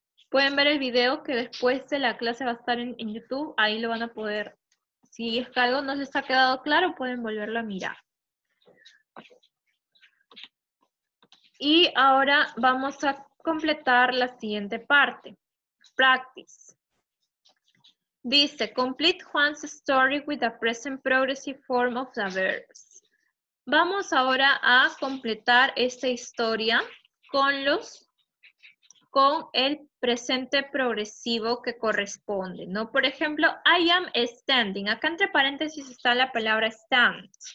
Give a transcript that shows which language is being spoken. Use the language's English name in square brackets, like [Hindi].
[Spanish] Pueden ver el video que después de la clase va a estar en YouTube. Ahí lo van a poder, si es que algo no les ha quedado claro, pueden volverlo a mirar. Y ahora vamos a completar la siguiente parte. [English] Practice. Dice, complete Juan's story with the present progressive form of the verbs. [Spanish] Vamos ahora a completar esta historia con el presente progresivo que corresponde, ¿no? Por ejemplo, [English] I am standing. [Spanish] Acá entre paréntesis está la palabra stand.